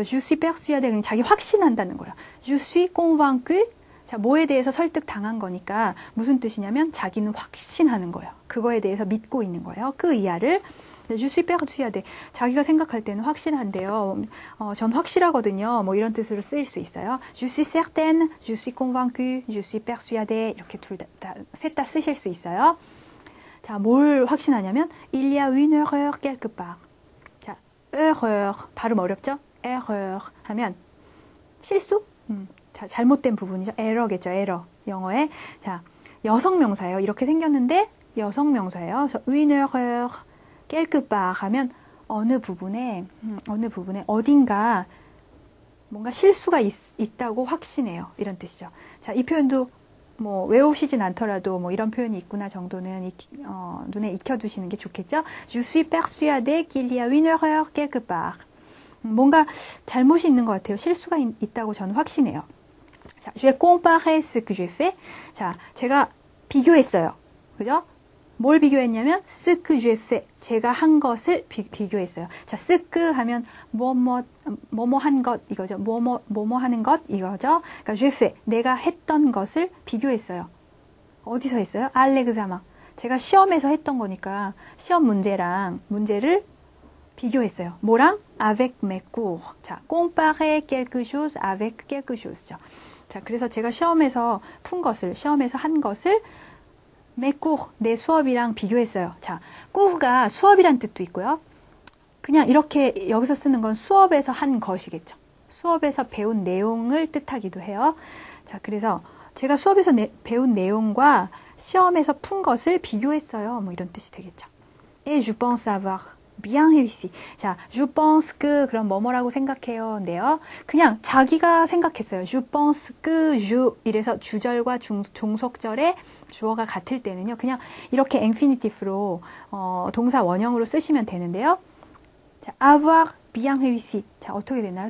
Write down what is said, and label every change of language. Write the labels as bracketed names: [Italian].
[Korean] 그래서 [French] je suis persuadé [Korean] 자기 확신한다는 거예요. [French] je suis convaincre [Korean] 자, 뭐에 대해서 설득당한 거니까 무슨 뜻이냐면 자기는 확신하는 거예요. 그거에 대해서 믿고 있는 거예요. [French] 그 이하를 Je suis persuadé. [Korean] 자기가 생각할 때는 확실한데요. 전 확실하거든요. 뭐 이런 뜻으로 쓰일 수 있어요. [French] Je suis certaine, je suis convaincu, je suis persuadé. [Korean] 이렇게 둘 다, 다, 셋다 쓰실 수 있어요. [French] 자, 뭘 확신하냐면 Il y a une erreur quelque part. [Korean] 자, erreur. 발음 어렵죠? Erreur 하면 실수? 자, 잘못된 부분이죠. Error겠죠, error. 영어에. 자, 여성 명사예요. 이렇게 생겼는데 여성 명사예요. 그래서 une erreur. 깰끗바 하면 어느 부분에 어느 부분에 어딘가 뭔가 실수가 있다고 확신해요 이런 뜻이죠. 자, 이 표현도 뭐 외우시진 않더라도 뭐 이런 표현이 있구나 정도는 눈에 익혀두시는 게 좋겠죠. [French] Je suis persuadé qu'il y a une erreur quelque part. [Korean] 뭔가 잘못이 있는 것 같아요. 실수가 있다고 저는 확신해요. [French] 자, je compare ce que j'ai fait. [Korean] 자, 제가 비교했어요. 그죠? 뭘 비교했냐면 [French] ce que j'ai fait [Korean] 제가 한 것을 비교했어요. 자, ce que 하면 뭐뭐 한것 이거죠. 뭐뭐 하는 것 이거죠. 그러니까 [French] j'ai fait [Korean] 내가 했던 것을 비교했어요. 어디서 했어요? 알렉사망. 제가 시험에서 했던 거니까 시험 문제랑 문제를 비교했어요. [French] 뭐랑? avec mes cours. 자, comparer quelque chose avec quelque chose죠. [Korean] 자, 그래서 제가 시험에서 푼 것을 시험에서 한 것을 맥구 내 수업이랑 비교했어요. 자, 구가 수업이란 뜻도 있고요. 그냥 이렇게 여기서 쓰는 건 수업에서 한 것이겠죠. 수업에서 배운 내용을 뜻하기도 해요. 자, 그래서 제가 수업에서 배운 내용과 시험에서 푼 것을 비교했어요. 뭐 이런 뜻이 되겠죠. [French] Et je pense avoir bien réussi. [Korean] 자, [French] je pense que [Korean] 그럼 뭐뭐라고 생각해요인데요. 그냥 자기가 생각했어요. [French] Je pense que je [Korean] 이래서 주절과 종속절에 주어가 같을 때는요, 그냥 이렇게 infinitive로 동사 원형으로 쓰시면 되는데요. 자, [French] avoir bien réussi. [Korean] 자, 어떻게 되나요?